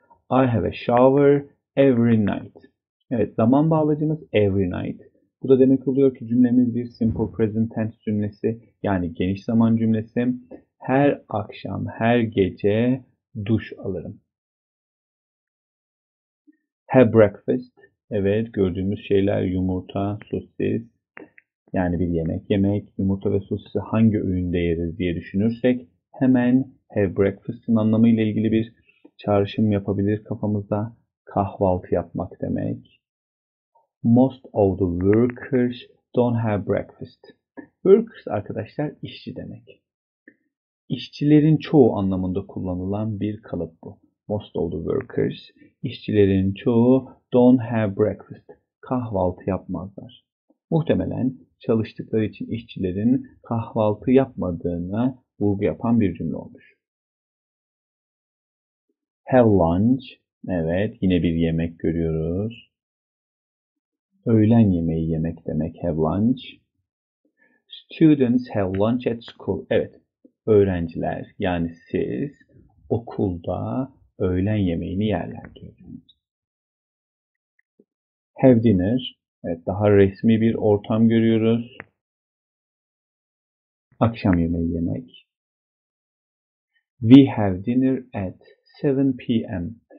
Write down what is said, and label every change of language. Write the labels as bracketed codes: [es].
[en] I have a shower every night. [tr] Evet, zaman bağlacımız [en] every night. [tr] Bu da demek oluyor ki cümlemiz bir simple present tense cümlesi, yani geniş zaman cümlesi. Her akşam, her gece duş alırım. [en] Have breakfast. [tr] Evet, gördüğümüz şeyler yumurta, sosis. Yani bir yemek yemek. Yumurta ve sosisi hangi öğünde yeriz diye düşünürsek hemen have breakfast'ın anlamıyla ilgili bir çağrışım yapabilir kafamızda. Kahvaltı yapmak demek. [en] Most of the workers don't have breakfast. [tr] Workers arkadaşlar işçi demek. İşçilerin çoğu anlamında kullanılan bir kalıp bu. [en] Most of the workers, [tr] işçilerin çoğu [en] don't have breakfast. [tr] Kahvaltı yapmazlar. Muhtemelen çalıştıkları için işçilerin kahvaltı yapmadığına vurgu yapan bir cümle olmuş. [en] Have lunch. [tr] Evet, yine bir yemek görüyoruz. Öğlen yemeği yemek demek, [en] have lunch. Students have lunch at school. [tr] Evet, öğrenciler, yani siz okulda öğlen yemeğini yerler diyorsunuz. [en] Have dinner. [tr] Evet, daha resmi bir ortam görüyoruz. Akşam yemeği yemek. [en] We have dinner at 7 p.m.